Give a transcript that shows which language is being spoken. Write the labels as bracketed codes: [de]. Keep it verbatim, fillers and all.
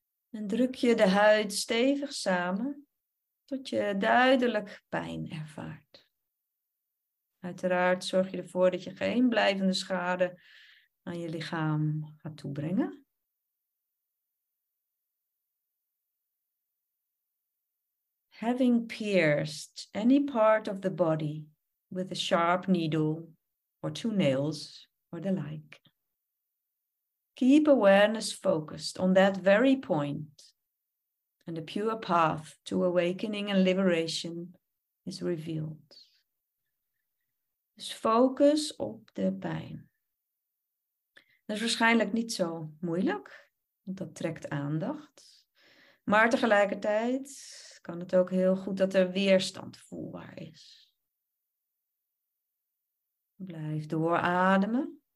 [nl] En druk je de huid stevig samen tot je duidelijk pijn ervaart. Uiteraard zorg je ervoor dat je geen blijvende schade aan je lichaam gaat toebrengen. [en] Having pierced any part of the body with a sharp needle or two nails or the like. Keep awareness focused on that very point, and the pure path to awakening and liberation is revealed. [nl] Dus focus op de pijn. Dat is waarschijnlijk niet zo moeilijk, want dat trekt aandacht. Maar tegelijkertijd kan het ook heel goed dat er weerstand voelbaar is. Blijf doorademen.